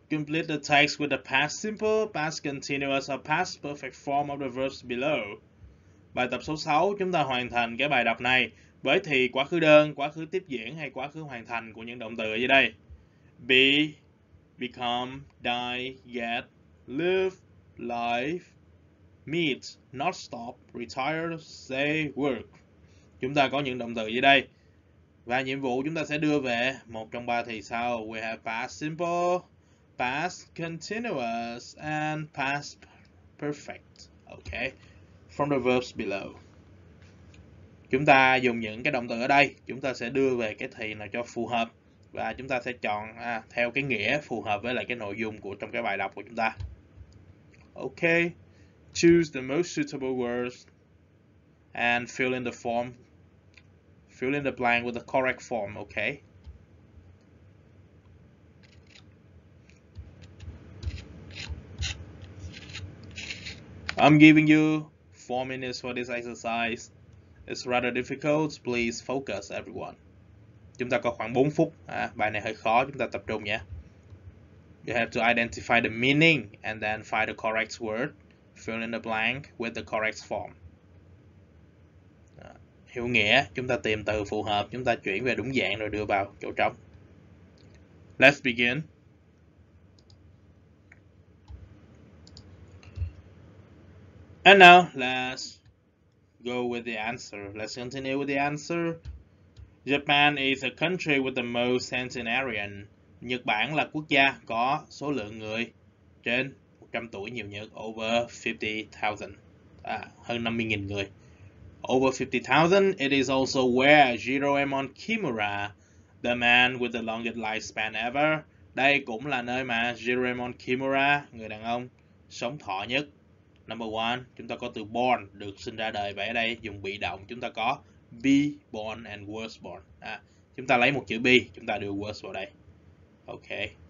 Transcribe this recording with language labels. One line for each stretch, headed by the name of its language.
English: Complete the text with the past simple, past continuous or past perfect form of the verbs below.
Vietnamese: Bài tập số 6, chúng ta hoàn thành cái bài đọc này với thì quá khứ đơn, quá khứ tiếp diễn hay quá khứ hoàn thành của những động từ ở dưới đây.
English: Be, become, die, get, live, life, meet, not stop, retire, say, work.
Vietnamese: Chúng ta có những động từ dưới đây. Và nhiệm vụ chúng ta sẽ đưa về một trong ba thì sau.
English: We have past simple, past continuous and past perfect. Okay. From the verbs below.
Vietnamese: Chúng ta dùng những cái động từ ở đây, chúng ta sẽ đưa về cái thì nào cho phù hợp và chúng ta sẽ chọn theo cái nghĩa phù hợp với lại cái nội dung của trong cái bài đọc của chúng ta.
English: Okay. Choose the most suitable words and fill in the form. Fill in the blank with the correct form, okay? I'm giving you 4 minutes for this exercise. It's rather difficult. Please focus, everyone.
Vietnamese: Chúng ta có khoảng 4 phút. Bài này hơi khó. Chúng ta tập trung nhé.
English: You have to identify the meaning and then find the correct word. Fill in the blank with the correct form.
Vietnamese: Hiểu nghĩa, chúng ta tìm từ phù hợp, chúng ta chuyển về đúng dạng rồi đưa vào chỗ trống.
English: Let's begin. And now, let's go with the answer. Let's continue with the answer. Japan is a country with the most centenarian.
Vietnamese: Nhật Bản là quốc gia có số lượng người trên 100 tuổi nhiều nhất.
English: Over 50,000.
Vietnamese: Hơn 50,000 người.
English: Over 50,000. It is also where Jiroemon Kimura, the man with the longest lifespan ever.
Vietnamese: Đây cũng là nơi mà Jiroemon Kimura, người đàn ông, sống thọ nhất.
English: Number one,
Vietnamese: chúng ta có từ born, được sinh ra đời. Vậy ở đây dùng bị động, chúng ta có be born and was born. Chúng ta lấy một chữ be, chúng ta đưa was vào đây. Okay.